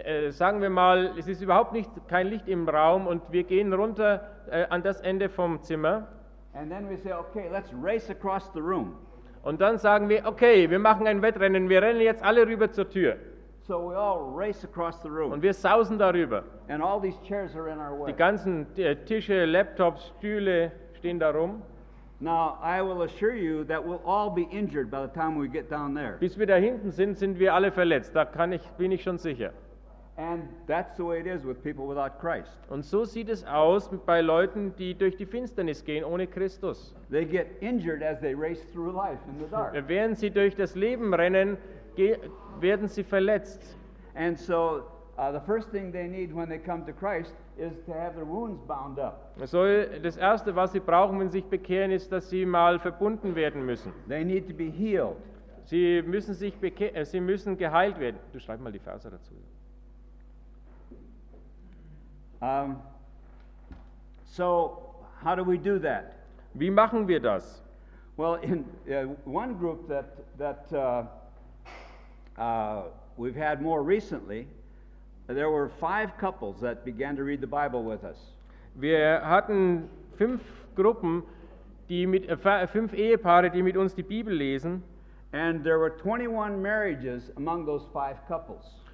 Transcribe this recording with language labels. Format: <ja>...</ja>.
<de>Sagen wir mal, es ist überhaupt kein Licht im Raum, und wir gehen runter an das Ende vom Zimmer.</de> <en>And then we say, okay, let's race across the room.</en> <de>Und dann sagen wir, okay, wir machen ein Wettrennen, wir rennen jetzt alle rüber zur Tür.</de> <en>So we all race across the room.</en> <de>Und wir sausen darüber.</de> <en>And all these chairs are in our way.</en> <de>Die ganzen Tische, Laptops, Stühle stehen da rum.</de> <en>Now I will assure you that we'll all be injured by the time we get down there.</en> <de>Bis wir da hinten sind, sind wir alle verletzt, da kann ich, bin ich schon sicher.</de> <en>And that's the way it is with people without Christ.</en> <de>Und so sieht es aus bei Leuten, die durch die Finsternis gehen ohne Christus.</de> <en>They get injured as they race through life in the dark.</en> <de>Während sie durch das Leben rennen, werden sie verletzt.</de> <en>And so the first thing they need when they come to Christ is to have their wounds bound up.</en> <de>So das erste, was sie brauchen, wenn sie sich bekehren, ist, dass sie mal verbunden werden müssen.</de> <en>They need to be healed.</en> <de>Sie müssen geheilt werden. Du schreib mal die Verse dazu.</de> <en>So how do we do that?</en> <de>Wie machen wir das?</de> <en>Well, in one group that we've had more recently, there were five couples that began to read the Bible with us.</en> <de>Wir hatten fünf Ehepaare, die mit uns die Bibel lesen.</de> <en>And there were 21 marriages among those five couples.</en>